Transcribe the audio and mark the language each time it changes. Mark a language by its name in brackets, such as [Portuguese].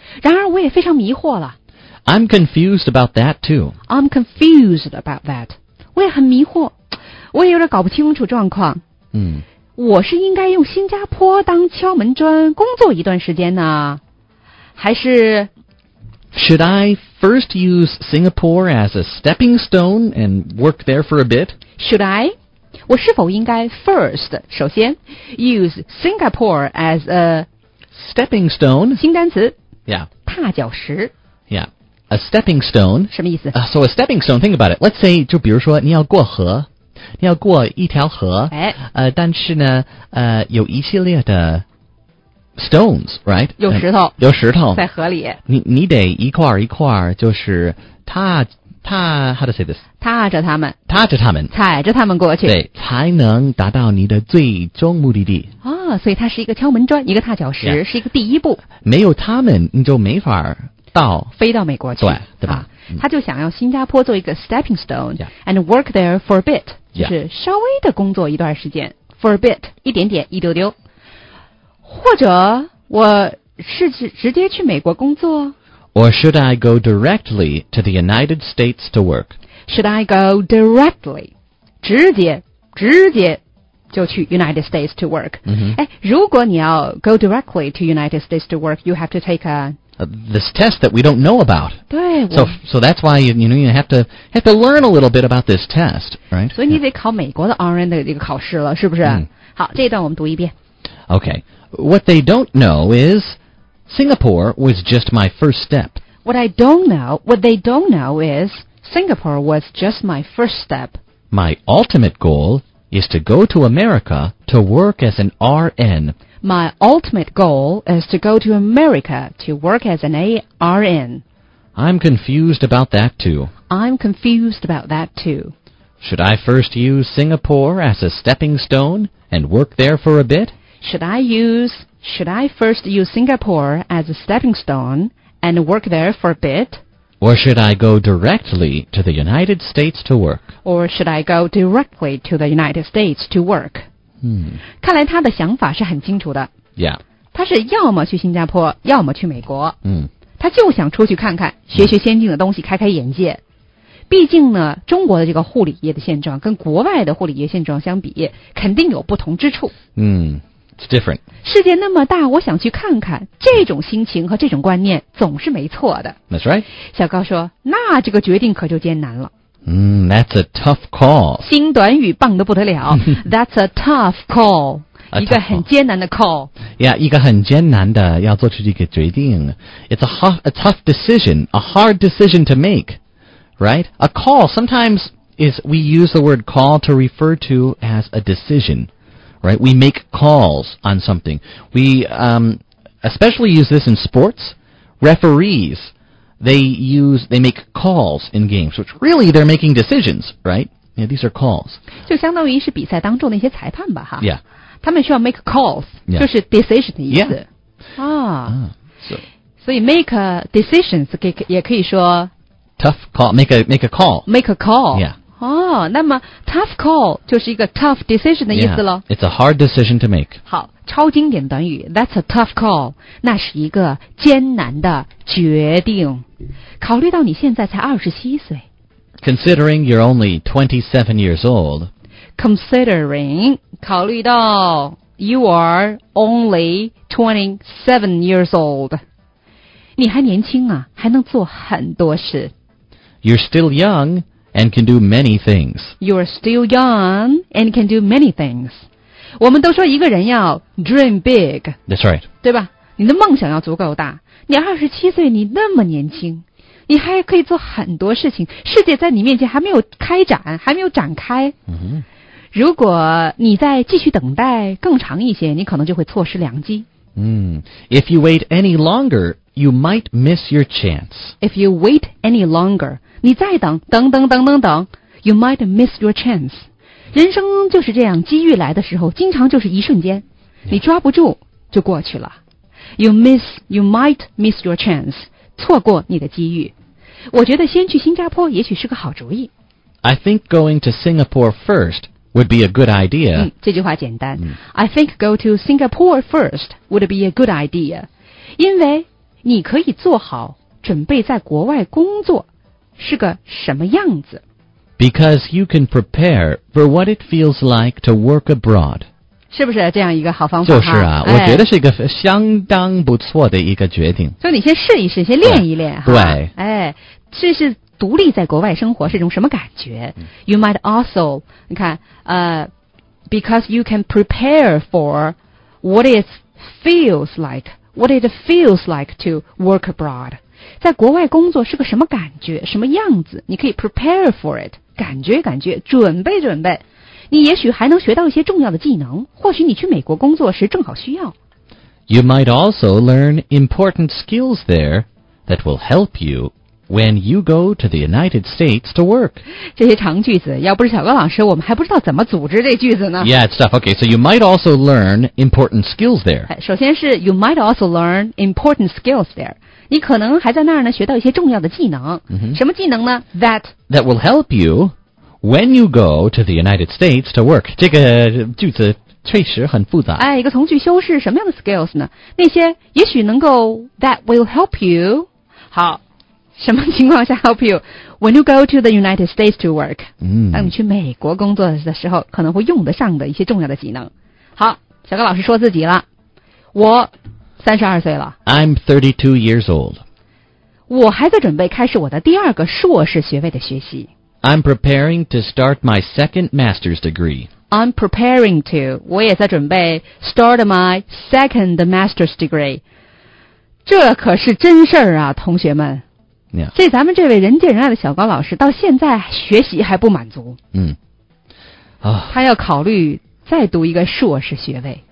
[Chinese] 然而我也非常迷惑了。 [English] I'm confused about that too. I'm confused about that. [Chinese] 我也很迷惑，我也有点搞不清楚状况。嗯，我是应该用新加坡当敲门砖工作一段时间呢，还是 [English] ？Should I first use Singapore as a stepping stone and work there for a bit? Should I? [Chinese] 我是否应该 [English] first [Chinese] 首先 [English] use Singapore as a stepping stone [Chinese] 新单词 [English] ？Yeah， [Chinese] 踏脚石。 [English] Yeah. A stepping stone. [Chinese] 什么意思？ [English] So a stepping stone, think about it. Let's say, [Chinese] 就比如说你要过河，你要过一条河，但是呢，有一系列的 [English] stones, right? [Chinese] 有石头。有石头。在河里。你得一块一块就是踏 [English] how to say this? [Chinese] 踏着他们。踏着他们。踩着他们过去。对，才能达到你的最终目的地。哦，所以它是一个敲门砖，一个踏脚石，是一个第一步。没有他们，你就没法到飞到美国去，对吧、他就想要新加坡做一个 stepping stone、 [English] yeah. and work there for a bit、 yeah. [Chinese] 就是稍微的工作一段时间 [English] for a bit [Chinese] 一点点一丢丢，或者我是直接去美国工作 [English] or should I go directly to the United States to work should I go directly [Chinese] 直接就去 [English] United States to work、 mm-hmm. [Chinese] 如果你要 [English] go directly to United States to work you have to take a This test that we don't know about. [Chinese] 对 [English] So that's why you have to learn a little bit about this test, right? [Chinese] 所以你得考美国的 RN 的一个考试了，是不是？好，这一段我们读一遍。 [English] Okay. What they don't know is Singapore was just my first step. What they don't know is Singapore was just my first step. My ultimate goal is to go to America to work as an RN. My ultimate goal is to go to America to work as an ARN. I'm confused about that, too. I'm confused about that, too. Should I first use Singapore as a stepping stone and work there for a bit? Should I first use Singapore as a stepping stone and work there for a bit? Or should I go directly to the United States to work? Or should I go directly to the United States to work? 嗯， [Chinese] 看来他的想法是很清楚的。 [English] Yeah. [Chinese] 他是要么去新加坡，要么去美国。嗯，他就想出去看看，学学先进的东西，开开眼界。毕竟呢，中国的这个护理业的现状跟国外的护理业现状相比，肯定有不同之处。 [English] 嗯，It's different. [Chinese] 世界那么大，我想去看看，这种心情和这种观念总是没错的。 [English] That's right. [Chinese] 小高说，那这个决定可就艰难了。 [English] Mm, that's a tough call. [Chinese] 新短语棒得不得了。 [English] That's a tough call. [Chinese] 一个很艰难的 call. Yeah, 一个很艰难的要做出这个决定。 [English] It's a tough decision, a hard decision to make, right? A call, sometimes we use the word call to refer to as a decision, right? We make calls on something. We especially use this in sports, referees. They make calls in games, which really they're making decisions, right? Yeah, these are calls. [Chinese] 就相当于是比赛当中的一些裁判吧，哈。 [English] Yeah. [Chinese] 他们需要 [English] make calls,、yeah. [Chinese] 就是 decision 的意思。 [English] Yeah. [Chinese] 所以 [English] make decisions [Chinese] 也可以说 [English] tough call, make a call. Make a call. Yeah. [Chinese] 那么 [English] tough call [Chinese] 就是一个 [English] tough decision [Chinese] 的意思咯。 [English] Yeah. It's a hard decision to make. [Chinese] 好。超经典短语 [English] That's a tough call [Chinese] 那是一个艰难的决定考虑到你现在才27岁 [English] Considering you're only 27 years old [Chinese] Considering 考虑到 [English] You are only 27 years old [Chinese] 你还年轻啊还能做很多事 [English] You're still young and can do many things You're still young and can do many things [Chinese] 我们都说一个人要 [English] dream big. That's right. [Chinese] 对吧？你的梦想要足够大。你27岁，你那么年轻，你还可以做很多事情。世界在你面前还没有开展，还没有展开。 Mm-hmm. 如果你再继续等待更长一些，你可能就会错失良机。 [English] If you wait any longer, you might miss your chance. If you wait any longer, [Chinese] 你再等等等等等等 [English] you might miss your chance. [Chinese] 人生就是这样，机遇来的时候经常就是一瞬间，你抓不住就过去了。 [English] You might miss your chance. [Chinese] 错过你的机遇。我觉得先去新加坡也许是个好主意。 [English] I think going to Singapore first would be a good idea. [Chinese] 这句话简单。 [English] I think go to Singapore first would be a good idea. [Chinese] 因为你可以做好准备在国外工作是个什么样子。 [English] Because you can prepare for what it feels like to work abroad. [Chinese] 是不是这样一个好方法就是啊、我觉得是一个相当不错的一个决定所以你先试一试先练一练对这是独立在国外生活是一种什么感觉、 [English] You might also [Chinese] 你看 [English] Because you can prepare for What it feels like What it feels like to work abroad [Chinese] 在国外工作是个什么感觉什么样子你可以 [English] prepare for it [Chinese] 感觉感觉准备准备你也许还能学到一些重要的技能或许你去美国工作时正好需要 [English] You might also learn important skills there that will help you when you go to the United States to work [Chinese] 这些长句子要不是小高老师我们还不知道怎么组织这句子呢 [English] Yeah, it's tough. Okay, so you might also learn important skills there [Chinese] 首先是 [English] You might also learn important skills there [Chinese] 你可能还在那儿呢学到一些重要的技能、什么技能呢 That [English] will help youWhen you go to the United States to work, [Chinese] 这个句子确实很复杂。一个从句修饰什么样的 skills 呢？那些也许能够 [English] that will help you. [Chinese] 好，什么情况下 [English] help you? When you go to the United States to work,、 [Chinese] 当你去美国工作的时候，可能会用得上的一些重要的技能。好，小高老师说自己了，我32岁了。 [English] I'm 32 years old. [Chinese] 我还在准备开始我的第二个硕士学位的学习。 [English] I'm preparing to start my second master's degree. I'm preparing to, [Chinese] 我也在准备 [English] start my second master's degree. [Chinese] 这可是真事儿啊，同学们。 [English] Yeah. [Chinese] 所以咱们这位人见人爱的小高老师到现在学习还不满足。他要考虑再读一个硕士学位。